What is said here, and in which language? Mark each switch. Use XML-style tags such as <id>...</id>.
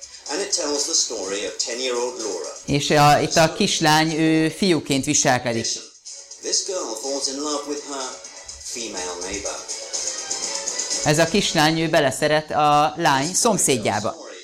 <en>And it tells the story of 10-year-old Laura.</en> <hu>És itt a kislány ő fiúként viselkedik.</hu> <en>This girl falls in love with her female neighbor.</en> <hu>ez a kislány, ő beleszeret a lány szomszédjába.</hu>